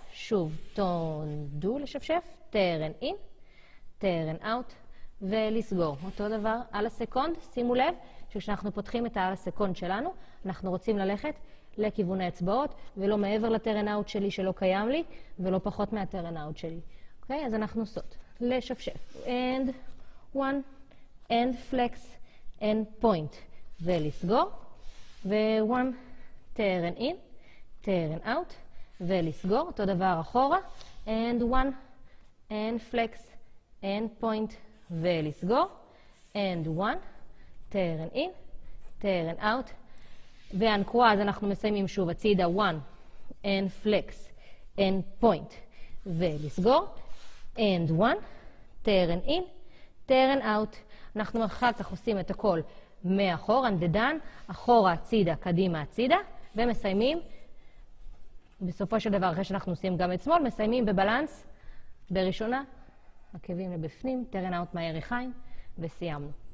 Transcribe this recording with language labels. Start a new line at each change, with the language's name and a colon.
Hebrew: שוב, טון, דו, לשפשף, טרן אין, טרן אאוט, ולסגור. אותו דבר על הסקונד, שימו לב, שכשאנחנו פותחים את העל הסקונד שלנו, אנחנו רוצים ללכת לכיוון האצבעות, ולא מעבר לטרן אאוט שלי שלא קיים לי, ולא פחות מהטרן אאוט שלי. אוקיי, אז אנחנו עושות. לשפשף.
English: And one, and flex, and point.
Hebrew: ולסגור.
English: ו-one, turn in, turn out,
Hebrew: ולסגור. אותו דבר אחורה.
English: And one, and flex, and point,
Hebrew: ולסגור.
English: And one, turn in, turn out.
Hebrew: ואנקרואה, אז אנחנו מסיימים שוב הצידה.
English: One, and flex, and point,
Hebrew: ולסגור.
English: And one, turn in, turn out.
Hebrew: אנחנו אחר כך עושים את הכל מאחורה,
English: and the done,
Hebrew: אחורה הצידה, קדימה הצידה, ומסיימים, בסופו של דבר, אחרי שאנחנו עושים גם את שמאל, מסיימים בבלנס, בראשונה, עקבים לבפנים, turn out מהיריחיים, וסיימנו.